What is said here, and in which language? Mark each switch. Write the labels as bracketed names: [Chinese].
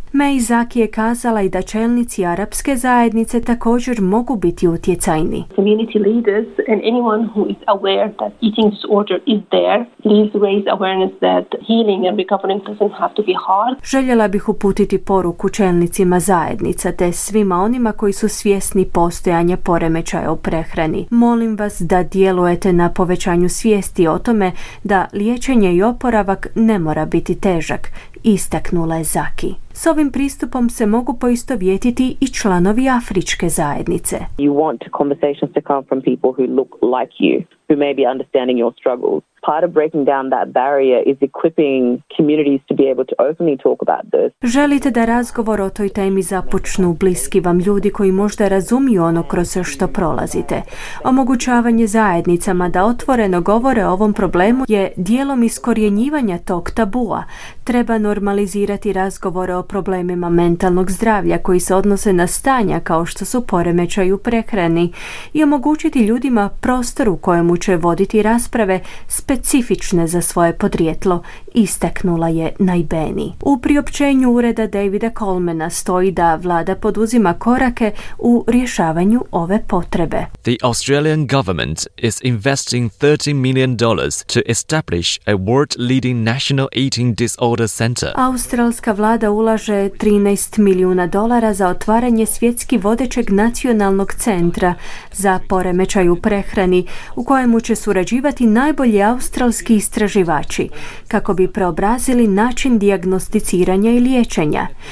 [Croatian] May Zaki je kazala i da čelnici arapske zajednice također mogu biti utjecajni. [English] Community leaders and anyone who is aware that eating disorder is there, please raise awareness that healing and recovering doesn't have to be hard. [Croatian] Željela bih uputiti poruku čelnicima zajednica te svima onima koji su svjesni postojanja poremećaja u prehrani. Molim vas da djelujete na povećanju svijesti o tome da liječenje i oporavak ne mora biti težak, istaknula je Zaki. S ovim pristupom se mogu poistovjetiti i članovi afričke zajednice. [English] You want conversations to come from people who look like you, who may be understanding your struggles. Part of breaking down that barrier is equipping communities to be able to openly talk about this. [Croatian] Želite da razgovor o toj temi započnu bliski vam ljudi koji možda razumiju ono kroz što prolazite. Omogućavanje zajednicama da otvoreno govore o ovom problemu je dijelom iskorjenjivanja tog tabua. Treba normalizirati razgovore o problemima mentalnog zdravlja koji se odnose na stanja kao što su poremećaj u prehrani i omogućiti ljudima prostor u kojemu će voditi rasprave specifične za svoje podrijetlo, istaknula je Najbeni. U priopćenju ureda Davida Colemana stoji da vlada poduzima korake u rješavanju ove potrebe. [English] The Australian government is investing $30 million to establish a world-leading national eating disorder center. [Croatian] Australska vlada ulaže 13 milijuna dolara za otvaranje svjetski vodećeg nacionalnog centra za poremećaj u prehrani u kojemu će surađivati najbolji australski istraživači kako bi preobrazili način dijagnosticiranja i liječenja.